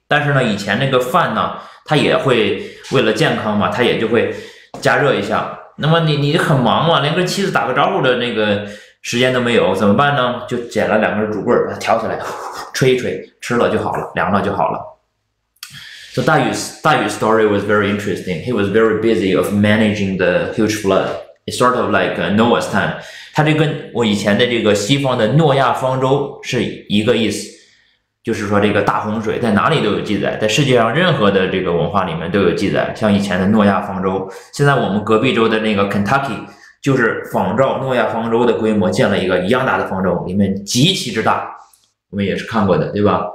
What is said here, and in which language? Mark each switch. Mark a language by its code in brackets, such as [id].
[zh] 但是呢，以前那个饭呢，他也会为了健康嘛，他也就会加热一下。那么你很忙嘛，连跟妻子打个招呼的那个时间都没有，怎么办呢？就捡了两根竹棍把它挑起来，吹一吹，吃了就好了，凉了就好了。 [en] So 大禹's story was very interesting. He was very busy of managing the huge flood. It's sort of like Noah's time. [zh] 他就跟我以前的这个西方的诺亚方舟是一个意思，就是说这个大洪水在哪里都有记载，在世界上任何的这个文化里面都有记载，像以前的诺亚方舟，现在我们隔壁州的那个 Kentucky 就是仿照诺亚方舟的规模建了一个一样大的方舟，里面极其之大，我们也是看过的，对吧？